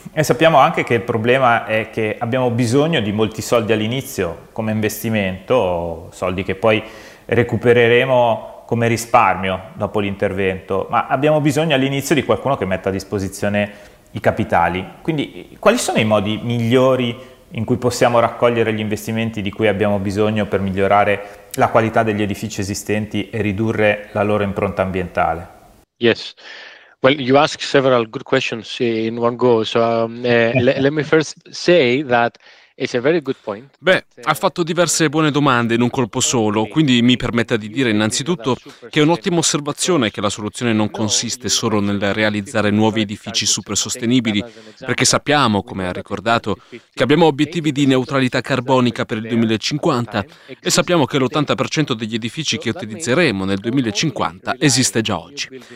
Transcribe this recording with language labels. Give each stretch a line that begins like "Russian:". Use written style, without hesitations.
Italian: E sappiamo anche che il problema è che abbiamo bisogno di molti soldi all'inizio come investimento, soldi che poi recupereremo come risparmio dopo l'intervento, ma abbiamo bisogno all'inizio di qualcuno che metta a disposizione i capitali. Quindi quali sono i modi migliori in cui possiamo raccogliere gli investimenti di cui abbiamo bisogno per migliorare la qualità degli edifici esistenti e ridurre la loro impronta ambientale?
English: Yes. Well, you ask several good questions in one go, so let me first say that it's a very good point.
Italian: Beh, ha fatto diverse buone domande in un colpo solo, quindi mi permetta di dire innanzitutto che è un'ottima osservazione che la soluzione non consiste solo nel realizzare nuovi edifici super sostenibili, perché sappiamo, come ha ricordato, che abbiamo obiettivi di neutralità carbonica per il 2050 e sappiamo che l'80% degli edifici che utilizzeremo nel 2050 esiste già oggi.